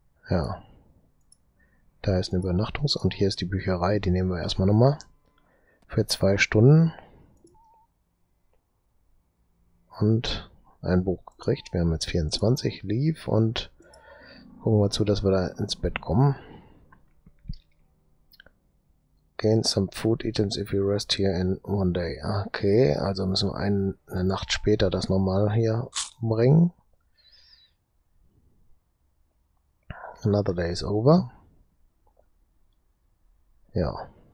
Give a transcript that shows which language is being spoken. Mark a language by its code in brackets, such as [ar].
[de] Ja. Da ist ein Übernachtungs- und hier ist die Bücherei, die nehmen wir erstmal nochmal. Für 2 Stunden. Und ein Buch gekriegt. Wir haben jetzt 24 lief und gucken wir zu, dass wir da ins Bett kommen. [en] Gain some food items if you rest here in one day. [de] Okay, also müssen wir eine Nacht später das nochmal hier bringen. [en] Another day is over. [de] Ja.